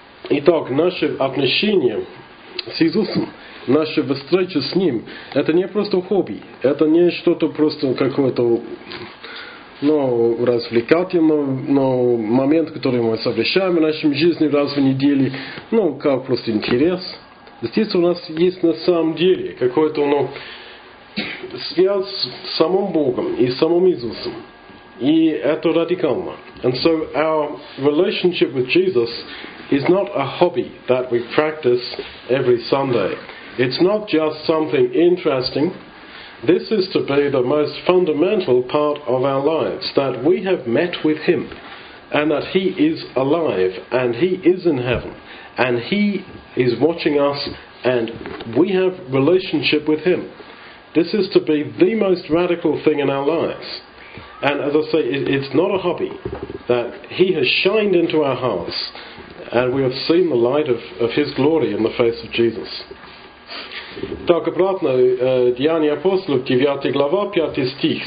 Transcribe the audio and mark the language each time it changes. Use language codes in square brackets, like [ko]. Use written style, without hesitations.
[ru] Итак, наше отношение с Иисусом, наша встреча с Ним, это не просто хобби, это не что-то просто какое-то, развлекательный момент, который мы совершаем в нашей жизни раз в неделю, как просто интерес. Здесь у нас есть на самом деле какой-то, связь с самым Богом и самым Иисусом. И это радикально. [en] And so our relationship with Jesus is not a hobby that we practice every Sunday. It's not just something interesting. This is to be the most fundamental part of our lives, that we have met with Him, and that He is alive, and He is in heaven, and He is watching us, and we have relationship with Him. This is to be the most radical thing in our lives. And as I say, it's not a hobby, that He has shined into our hearts, and we have seen the light of His glory in the face of Jesus. [ru] Так, обратно, Деяния апостолов, 9 глава, 5 стих.